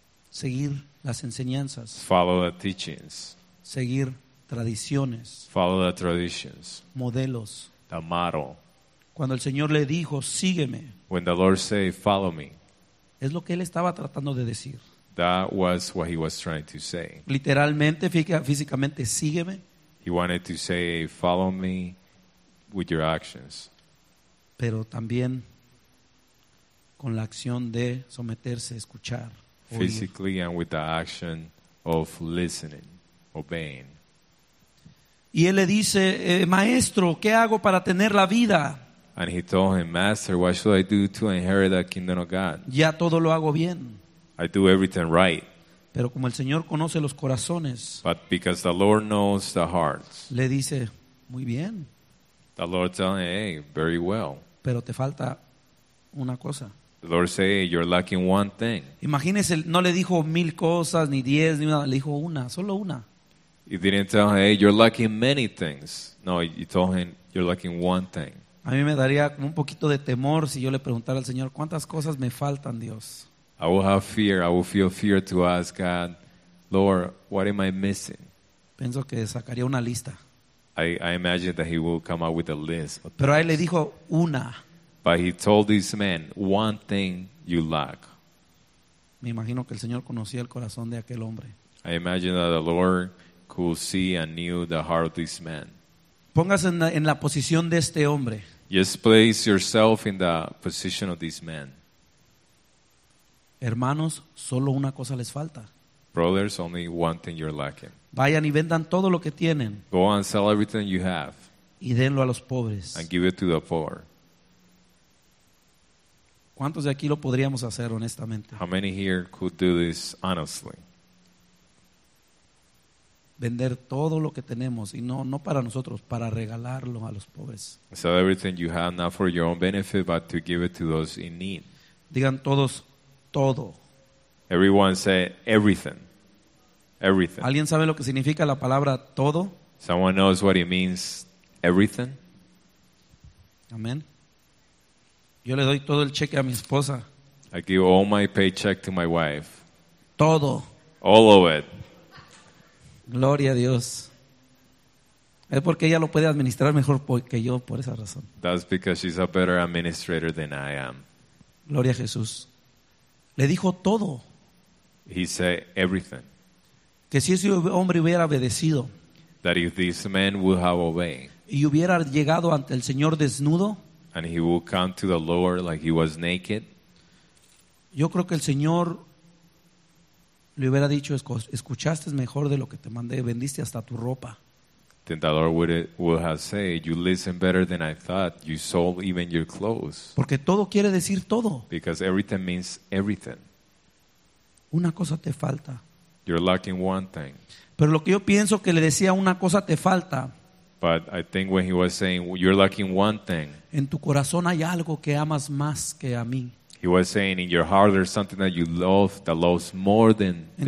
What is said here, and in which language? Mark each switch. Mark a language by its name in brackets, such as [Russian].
[Spanish] Seguir las enseñanzas. [English] Follow the teachings. [Spanish] Seguir tradiciones. [English] Follow the traditions. [Spanish] Modelos. [English] The model. [Spanish] Cuando el Señor le dijo, sígueme. [English] When the Lord said, follow me. [Spanish] Es lo que él estaba tratando de decir. [English] That was what he was trying to say. [Spanish] Literalmente, físicamente, sígueme. [English] He wanted to say, follow me with your actions. [Spanish] Pero también con la acción de someterse, escuchar. [English] Physically and with the action of listening, obeying. [Spanish] Y él le dice, maestro, ¿qué hago para tener la vida? [English] And he told him, Master, what should I do to inherit the kingdom of God? [Spanish] Ya todo lo hago bien. [English] I do everything right. [Spanish] Pero como el Señor conoce los corazones, [English] but because the Lord knows the hearts, [Spanish] le dice, muy bien. [English] The Lord tells him, hey, very well. [Spanish] Pero te falta una cosa. [English] The Lord say, you're lacking one thing. [Spanish] Imagínese, no le dijo mil cosas, ni diez, ni una, le dijo una, solo una. [English] He didn't tell him, hey, you're lacking many things. No, he told him, you're lacking one thing. [Spanish] A mí me daría un poquito de temor si yo le preguntara al Señor, ¿cuántas cosas me faltan, Dios? [English] I will have fear, I will feel fear to ask God, Lord, what am I missing? [Spanish] Pienso que sacaría una lista. [English] I imagine that he will come up with a list. [Spanish] Pero ahí le dijo una. [English] But he told this man, one thing you lack. [Spanish] Me imagino que el Señor conocía el corazón de aquel hombre. [English] I imagine that the Lord could see and knew the heart of this man. [Spanish] Póngase en la posición de este hombre. [English] Just place yourself in the position of this man. [Spanish] Hermanos, solo una cosa les falta. [English] Brothers, only one thing you're lacking. [Spanish] Vayan y vendan todo lo que tienen. [English] Go and sell everything you have. [Spanish] Y denlo a los pobres. [English] And give it to the poor. [Spanish] ¿Cuántos de aquí lo podríamos hacer honestamente? [English] How many here could do this honestly? [Spanish] Vender todo lo que tenemos y no para nosotros, para regalarlo a los pobres. [English] Sell everything you have, not for your own benefit, but to give it to those in need. [Spanish] Digan todos, todo. [English] Everyone say everything. Everything. [Spanish] ¿Alguien sabe lo que significa la palabra todo? [English] Someone knows what it means, everything. [Spanish] Amén. Yo le doy todo el cheque a mi esposa. [English] I give all my paycheck to my wife. [Spanish] Todo. [English] All of it. [Spanish] Gloria a Dios. Es porque ella lo puede administrar mejor que yo, por esa razón. [English] That's because she's a better administrator than I am. [Spanish] Gloria a Jesús. Le dijo todo. [English] He said everything. [Spanish] Que si ese hombre hubiera obedecido. [English] That if this man would have obeyed. [Spanish] Y hubiera llegado ante el Señor desnudo. [English] And he will come to the Lord like he was naked. [Spanish] Yo creo que el Señor le hubiera dicho, escuchaste mejor de lo que te mandé, vendiste hasta tu ropa. [English] Then the Lord would have said, you listen better than I thought, you sold even your clothes. [Spanish] Porque todo quiere decir todo. [English] Because everything means everything. [Spanish] Una cosa te falta. [English] You're lacking one thing. [Spanish] Pero lo que yo pienso que le decía, una cosa te falta. [English] But I think when he was saying, you're lacking one thing. [Spanish] En tu corazón hay algo que amas más que a mí. [English] He was saying, in your heart there's something that you love, that loves more than me.